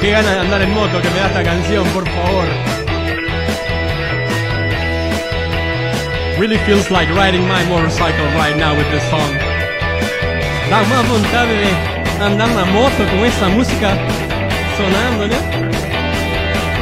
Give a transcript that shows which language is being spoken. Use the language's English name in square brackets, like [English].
[Spanish] Qué ganas de andar en moto que me da esta canción, por favor. [English] Really feels like riding my motorcycle right now with this song. [Spanish] Da más voluntad de andar la moto con esa música sonando, ¿no?